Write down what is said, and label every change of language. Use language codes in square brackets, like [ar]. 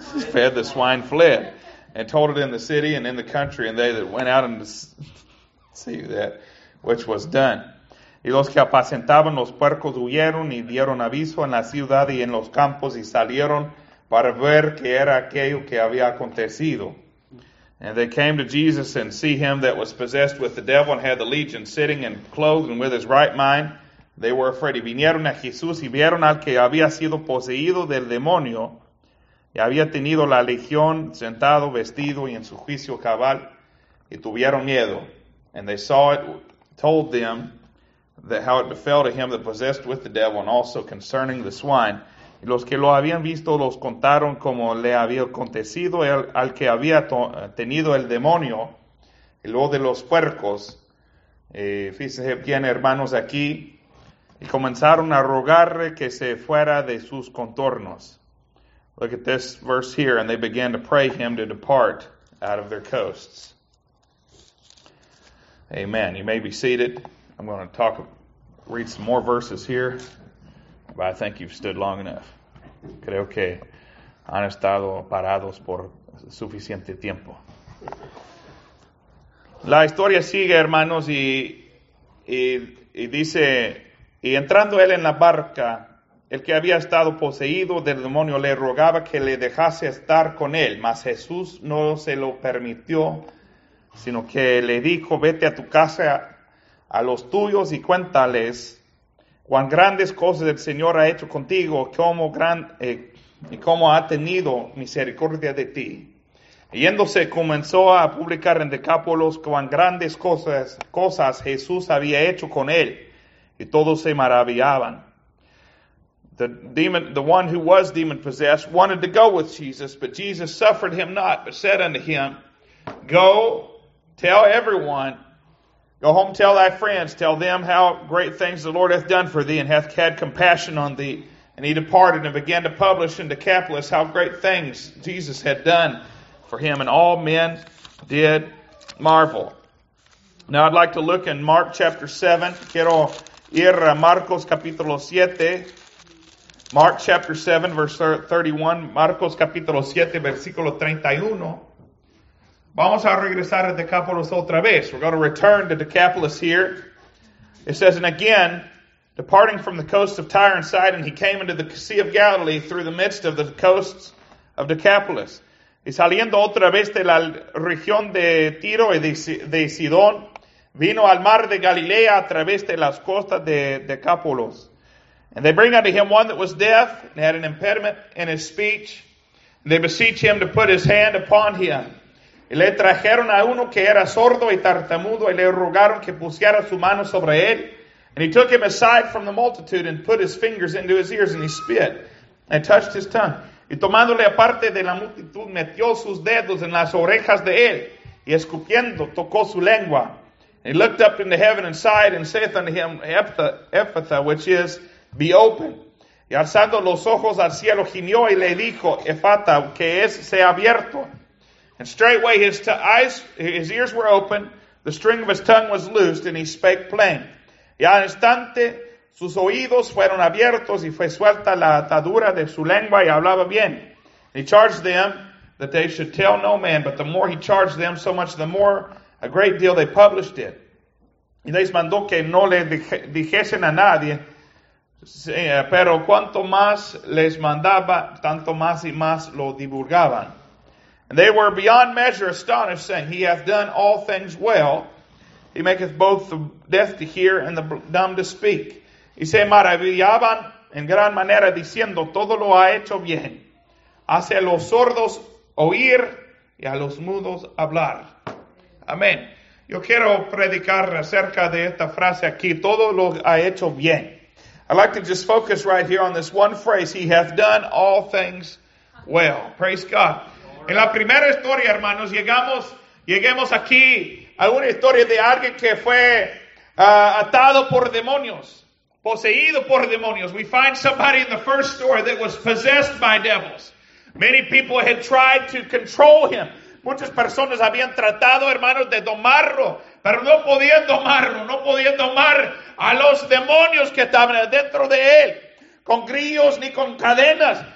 [en] Fed the swine fled, and told it in the city and in the country, and they that went out and see that which was done. [es] Y los que apacentaban los puercos huyeron y dieron aviso en la ciudad y en los campos y salieron para ver qué era aquello que había acontecido. [en] And they came to Jesus and see him that was possessed with the devil and had the legion sitting and clothed and with his right mind. They were afraid. Y [es] vinieron a Jesús y vieron al que había sido poseído del demonio y había tenido la legión sentado, vestido y en su juicio cabal. Y tuvieron miedo. [en] And they saw it, told them, that how it befell to him that possessed with the devil, and also concerning the swine. [es] Y los que lo habían visto los contaron como le había acontecido al que había tenido el demonio, y lo de los puercos. [en] Fíjense bien, hermanos, aquí. [es] Y comenzaron a rogarle que se fuera de sus contornos. [en] Look at this verse here. And they began to pray him to depart out of their coasts. Amen. You may be seated. I'm going to read some more verses here, but I think you've stood long enough. [es] Creo que han estado parados por suficiente tiempo. La historia sigue, hermanos, y dice, y entrando él en la barca, el que había estado poseído del demonio le rogaba que le dejase estar con él, mas Jesús no se lo permitió, sino que le dijo, vete a tu casa a los tuyos y cuéntales cuán grandes cosas el Señor ha hecho contigo, cómo ha tenido misericordia de ti. Yéndose comenzó a publicar en Decápolos cuán grandes cosas Jesús había hecho con él, y todos se maravillaban. [en] The one who was demon possessed wanted to go with Jesus, but Jesus suffered him not, but said unto him, Go, Tell everyone. Go home, tell thy friends. Tell them how great things the Lord hath done for thee and hath had compassion on thee. And he departed and began to publish in Decapolis how great things Jesus had done for him. And all men did marvel. Now I'd like to look in Mark chapter 7. [es] Quiero ir a Marcos capítulo 7. [en] Mark chapter 7, verse 31. [es] Marcos capítulo 7, versículo 31. Vamos a regresar a Decapolis otra vez. [en] We're going to return to Decapolis here. It says, and again, departing from the coast of Tyre and Sidon, he came into the Sea of Galilee through the midst of the coasts of Decapolis. [es] Y saliendo otra vez de la región de Tiro y de Sidón, vino al mar de Galilea a través de las costas de Decapolis. [en] And they bring unto him one that was deaf and had an impediment in his speech. And they beseech him to put his hand upon him. [es] Y le trajeron a uno que era sordo y tartamudo y le rogaron que pusiera su mano sobre él. [en] And he took him aside from the multitude and put his fingers into his ears and he spit and touched his tongue. [es] Y tomándole aparte de la multitud metió sus dedos en las orejas de él y escupiendo tocó su lengua. [en] And he looked up into heaven and sighed and saith unto him, Ephphatha, which is, be open. [es] Y alzando los ojos al cielo gimió y le dijo, Ephphatha, que es, se abierto. [en] And straightway his ears were open, the string of his tongue was loosed, and he spake plain. [es] Y al instante sus oídos fueron abiertos, y fue suelta la atadura de su lengua, y hablaba bien. [en] And he charged them that they should tell no man, but the more he charged them, so much the more, a great deal they published it. [es] Y les mandó que no le dijesen a nadie, pero cuanto más les mandaba, tanto más y más lo divulgaban. [en] And they were beyond measure astonished, saying, he hath done all things well. He maketh both the deaf to hear and the dumb to speak. [es] Y se maravillaban en gran manera, diciendo, todo lo ha hecho bien. Hace a los sordos oír y a los mudos hablar. Amén. Yo quiero predicar acerca de esta frase aquí, todo lo ha hecho bien. [en] I'd like to just focus right here on this one phrase, he hath done all things well. Praise God. [es] En la primera historia, hermanos, lleguemos aquí a una historia de alguien que fue atado por demonios, poseído por demonios. [en] We find somebody in the first story that was possessed by devils. Many people had tried to control him. [es] Muchas personas habían tratado, hermanos, de domarlo, pero no podían domarlo, no podían domar a los demonios que estaban dentro de él, con grillos ni con cadenas.